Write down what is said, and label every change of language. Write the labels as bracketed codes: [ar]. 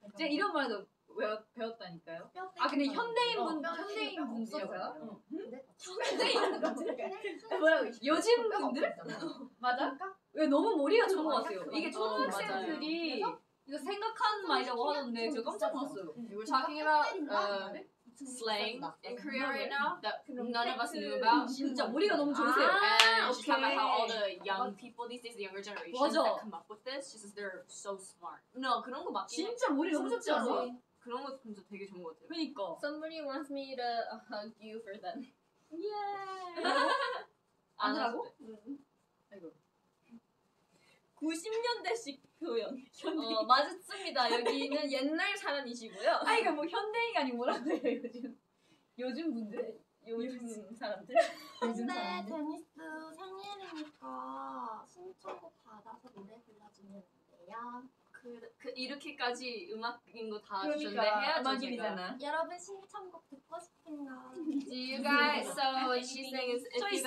[ko] 제가 이런 말도 배웠다니까요. 아 근데 현대인 분이라고요? 현대인 분들? 뭐라고? 요즘 분들? 맞아? 왜 너무 머리가 좋은 것 같아요. 이게 초등학생들이 이거 생각한 말이라고 하는데 저 깜짝 놀랐어요. [en] We're talking about slang in Korea right now that none of us knew about. [ko] 진짜 머리가 너무 좋으세요. [en] And she's talking about how all the young people these days, the younger generation that come up with this, she says they're so smart. No, [ko] 그런 거 맞긴 해. 진짜 머리 너무 좋지 않아? 그런 거 진짜 되게 좋은 거 같아요. 그러니까. [en] Somebody wants me to hug you for them. Yeah. [ko] 아니라고? 90년대식 표현. 맞습니다. 여기는 옛날 사람이시고요. 아 이거 뭐 현대인 아니 뭐라고 해요 요즘. 요즘 분들? 요즘 사람들? 요즘 사람들? 네, 데니스 생일이니까 신청곡 받아서 노래 불러주면 돼요. 그 이렇게까지 음악인 거 다 그러니까, 주셨네. 해야죠 음악인이잖아. 제가. 여러분 신청곡 듣고 싶은가? [en] Do you guys, so she's saying is if you guys